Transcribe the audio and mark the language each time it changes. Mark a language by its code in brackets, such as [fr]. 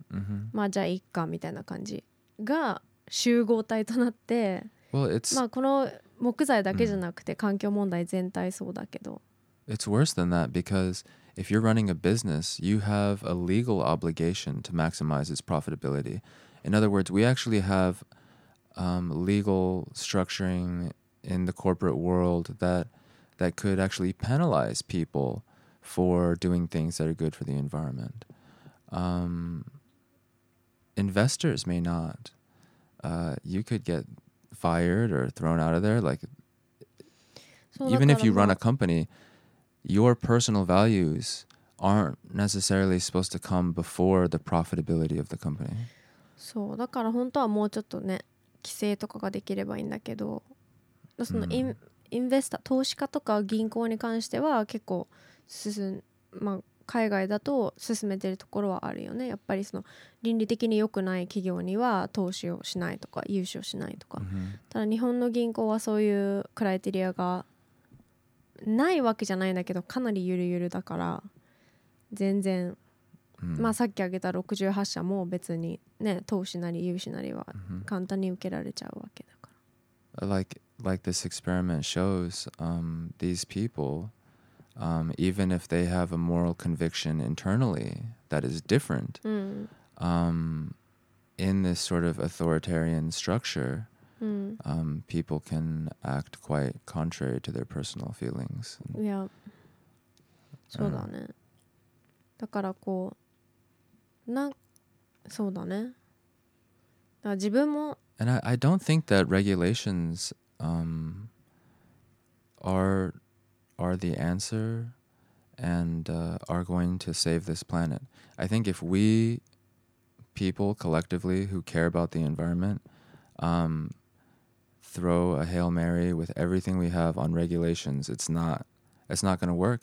[ja] mm-hmm. まあじゃあいっかみたいな感じが集合体となって、 [en] well, it's, [ja] まあこの木材だけじゃなくて環境問題全体そうだけど、 [en] It's worse than that because if you're running a business, you have a legal obligation to maximize its profitability. In other words, we actually have、legal structuring in the corporate world that could actually penalize people for doing things that are good for the environment.、investors may not. You could get fired or thrown out of there. Like, even if you run a company, your personal values aren't necessarily supposed to come before the profitability of the company. [ja] そう、だから本当はもうちょっとね、規制とかができればいいんだけど、そのインベスター、投資家とか銀行に関しては結構まあ、海外だと進めてるところはあるよね。やっぱりその倫理的に良くない企業には投資をしないとか融資をしないとか、 mm-hmm. ただ日本の銀行はそういうクライテリアがないわけじゃないんだけど、かなりゆるゆるだから全然、うん、まあさっき挙げた68社も別にね、投資なり融資なりは簡単に受けられちゃうわけだから、 [en] うん、like this experiment shows、these people、even if they have a moral conviction internally that is different、うん、 in this sort of authoritarian structurepeople can act quite contrary to their personal feelings. [ja] Yeah. そうだね。だからこう、な、そうだね。だから自分も。 [en] And I don't think that regulations, are the answer, and are going to save this planet. I think if we, people collectively who care about the environment, throw a Hail Mary with everything we have on regulations, it's not going to work.